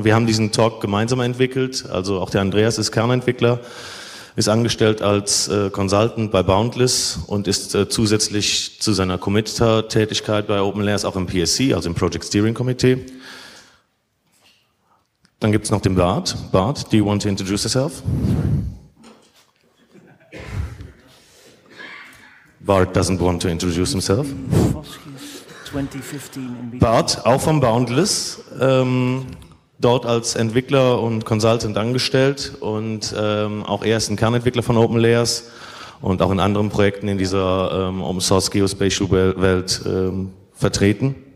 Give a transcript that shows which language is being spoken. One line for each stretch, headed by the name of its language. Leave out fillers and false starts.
German: Wir haben diesen Talk gemeinsam entwickelt. Also auch der Andreas ist Kernentwickler, ist angestellt als Consultant bei Boundless und ist zusätzlich zu seiner Committer-Tätigkeit bei Open Layers auch im PSC, also im Project Steering Committee. Dann gibt's noch den Bart.
English: Bart, do you want to introduce yourself? Bart doesn't want to introduce himself.
German: 2015 Bart, auch von Boundless, dort als Entwickler und Consultant angestellt und auch er ist ein Kernentwickler von Open Layers und auch in anderen Projekten in dieser Open Source Geospatial Welt vertreten.